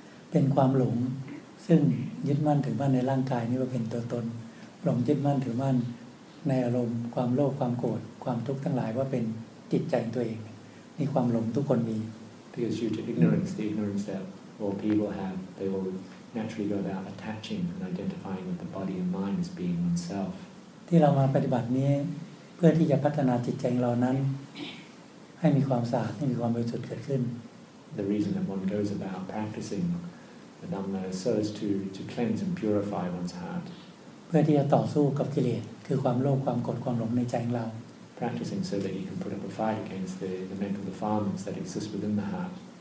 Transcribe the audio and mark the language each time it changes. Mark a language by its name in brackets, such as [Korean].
[Thai] เป็นความหลงซึ่งยึดมั่นถือมั่นในร่างกายนี้ว่าเป็นตัวตนหลงยึดมั่นถือมั่นในอารมณ์ความโลภความโกรธความทุกข์ทั้งหลายว่าเป็นจิตใจตัวเองมีความหลงทุกคนมี [English] because due to ignorance the ignorance that all people have they will naturally go about attaching and identifying with the body and mind as being oneself [Thai] ที่เรามาปฏิบัตินี้เพื่อที่จะพัฒนาจิตใจเรานั้นให้มีความสะอาดให้มีความบริสุทธิ์เกิดขึ้น [English] The reason that one goes about practicing the Dhamma is so as to cleanse and purify one's heart [Thai] เพื่อที่จะต่อสู้กับกิเลสคือความโลภความโกรธความหลงในใจเรา [English] Practicing so that you can put up a fight against the mental defilements that exist within the heart